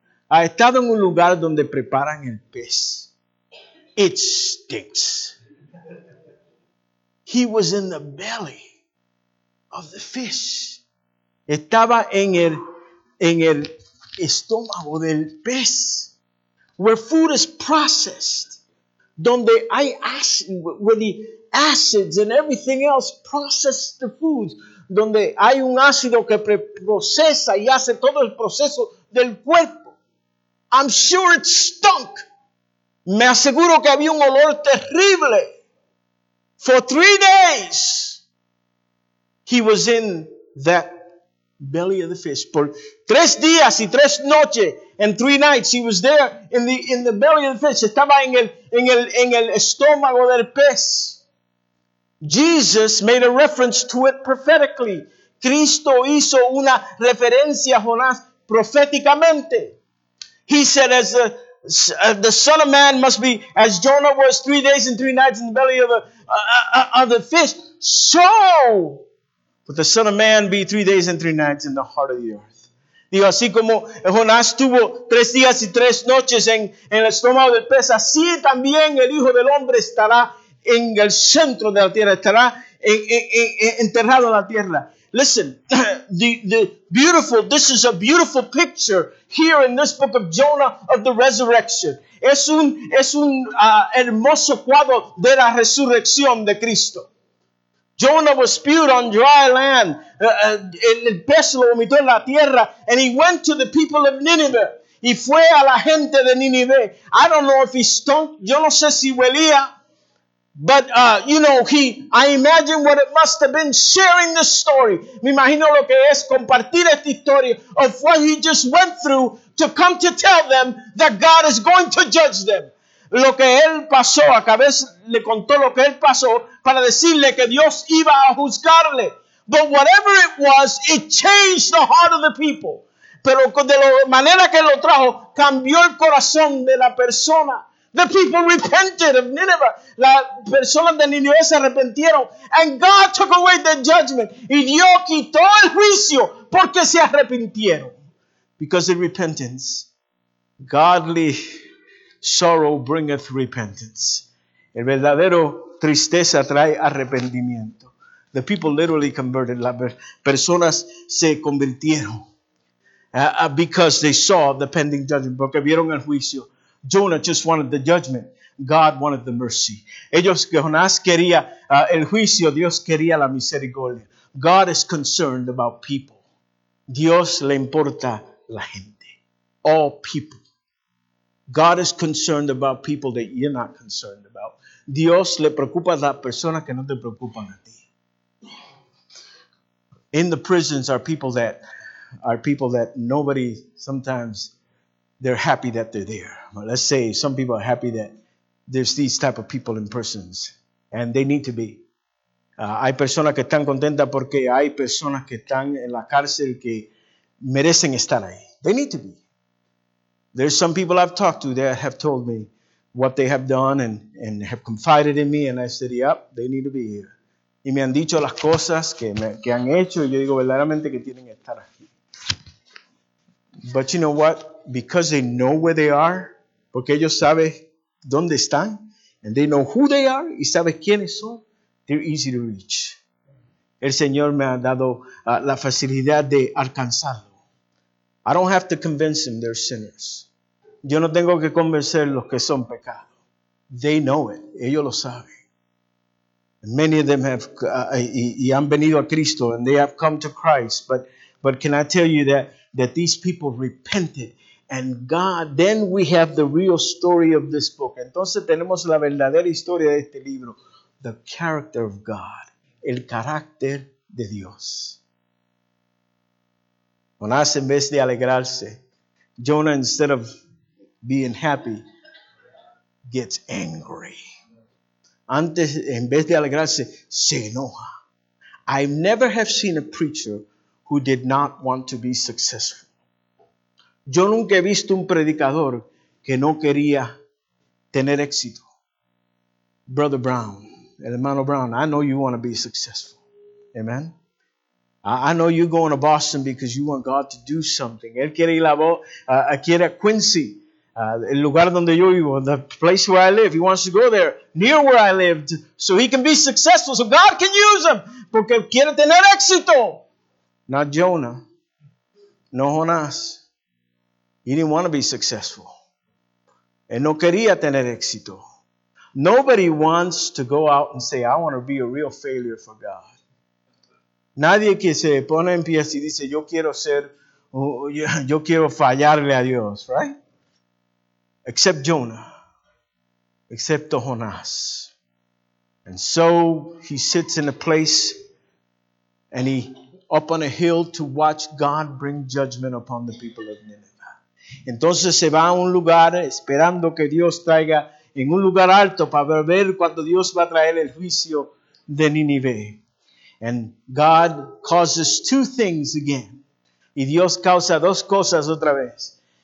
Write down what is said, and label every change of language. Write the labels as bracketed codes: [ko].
[es] ha estado en un lugar donde preparan el pez. [en] It stinks. He was in the belly of the fish. [es] Estaba en el estómago del pez. [en] Where food is processed. [es] Donde hay [en] acid, where the acids and everything else process the foods. [es] Donde hay un ácido que procesa y hace todo el proceso del cuerpo. [en] I'm sure it stunk. [es] Me aseguro que había un olor terrible. [en] For 3 days, he was in that belly of the fish. [es] Por 3 días y 3 noches, [en] and 3 nights, he was there in the belly of the fish. [es] Estaba en el estómago del pez. [en] Jesus made a reference to it prophetically. [es] Cristo hizo una referencia a Jonás proféticamente. [en] He said, as the Son of Man must be, as Jonah was 3 days and 3 nights in the belly of the fish, so would the Son of Man be 3 days and 3 nights in the heart of the earth. [es] Dijo, así como Jonás tuvo 3 días y 3 noches en el estómago del pez, así también el Hijo del Hombre estará en el centro de la tierra, estará enterrado en la tierra. [en] Listen, the beautiful, this is a beautiful picture here in this book of Jonah of the resurrection. [es] Es un hermoso cuadro de la resurrección de Cristo. [en] Jonah was spewed on dry land. [es] El pez lo vomitó en la tierra. [en] And he went to the people of Nineveh. [es] Y fue a la gente de Nineveh. [en] I don't know if he stunk. [es] Yo no sé si huelía. [en] But, you know, I imagine what it must have been sharing this story. [es] Me imagino lo que es compartir esta historia [en] of what he just went through to come to tell them that God is going to judge them. [es] Lo que él pasó, a cabeza le contó lo que él pasó para decirle que Dios iba a juzgarle. [en] But whatever it was, it changed the heart of the people. [es] Pero de la manera que lo trajo, cambió el corazón de la persona. [en] The people repented of Nineveh. [es] La persona de Nineveh se arrepintieron. [en] And God took away the judgment. [es] Y Dios quitó el juicio porque se arrepintieron. [en] Because of repentance, godly sorrow bringeth repentance. [es] El verdadero tristeza trae arrepentimiento. [en] The people literally converted. [es] Las personas se convirtieron. [en] Because they saw the pending judgment. [es] Porque vieron el juicio. [en] Jonah just wanted the judgment. God wanted the mercy. [es] Ellos, Jonás quería el juicio. Dios quería la misericordia. [en] God is concerned about people. [es] Dios le importa la gente. [en] All people. God is concerned about people that you're not concerned about. [es] Dios le preocupa a las personas que no te preocupan a ti. [en] In the prisons are people that nobody sometimes, they're happy that they're there. Well, let's say some people are happy that there's these type of people in prisons. And they need to be. [es] Hay personas que están contentas porque hay personas que están en la cárcel que merecen estar ahí. [en] They need to be. There's some people I've talked to that have told me what they have done and have confided in me. And I said, yep, they need to be here. [es] Y me han dicho las cosas que han hecho. Y yo digo, verdaderamente que tienen que estar aquí. [en] But you know what? Because they know where they are, [es] porque ellos saben dónde están, [en] and they know who they are, [es] y saben quiénes son, [en] they're easy to reach. [es] El Señor me ha dado la facilidad de alcanzarlo. [en] I don't have to convince them they're sinners. [es] Yo no tengo que convencer los que son pecados. [en] They know it. [es] Ellos lo saben. [en] And many of them have, [es] y han venido a Cristo, [en] and they have come to Christ. But can I tell you that these people repented? And God, then we have the real story of this book. [es] Entonces tenemos la verdadera historia de este libro. [en] The character of God. [es] El carácter de Dios. Jonás, en vez de alegrarse, [en] Jonah, instead of being happy, gets angry. [es] Antes, en vez de alegrarse, se enoja. [en] I never have seen a preacher who did not want to be successful. [es] Yo nunca he visto un predicador que no quería tener éxito. [en] Brother Brown, [es] el hermano Brown, [en] I know you want to be successful. Amen. I know you're going to Boston because you want God to do something. [es] Él quiere ir a Quincy, el lugar donde yo vivo, [en] the place where I live. He wants to go there, near where I lived, so he can be successful, so God can use him, [es] porque quiere tener éxito. [en] Not Jonah. [es] No Jonás. [en] He didn't want to be successful. [es] Él no quería tener éxito. [en] Nobody wants to go out and say, I want to be a real failure for God. [es] Nadie que se pone en pie y dice, yo quiero ser, yo quiero fallarle a Dios, [en] right? Except Jonah. [es] Excepto Jonás. [en] And so he sits in a place and he up on a hill to watch God bring judgment upon the people of Nineveh. [es] Entonces se va a un lugar esperando que Dios traiga en un lugar alto para ver cuando Dios va a traer el juicio de Nineveh. [en] And God causes two things again. [es] Y Dios causa dos cosas otra vez.